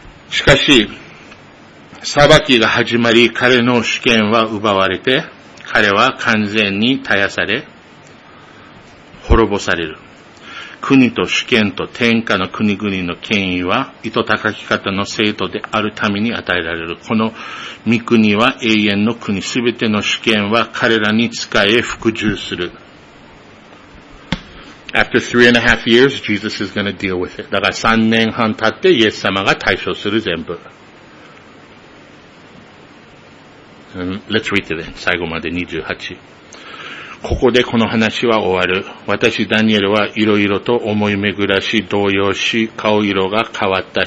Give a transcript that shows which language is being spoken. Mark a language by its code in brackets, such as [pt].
[ja] しかし、裁きが始まり、彼の主権は奪われて、彼は完全に絶やされ、滅ぼされる。国と主権と天下の国々の権威は、意図高き方の聖徒である民に与えられる。この御国は永遠の国、すべての主権は彼らに仕え服従する。 [en] After 3.5 years, Jesus is going to deal with it. [ja] だから三年半経ってイエス様が対処する全部。 [en] Let's read to the end. [ja] 最後まで28。ここでこの話は終わる。私ダニエルはいろいろと思い巡らし、動揺し、顔色が変わった。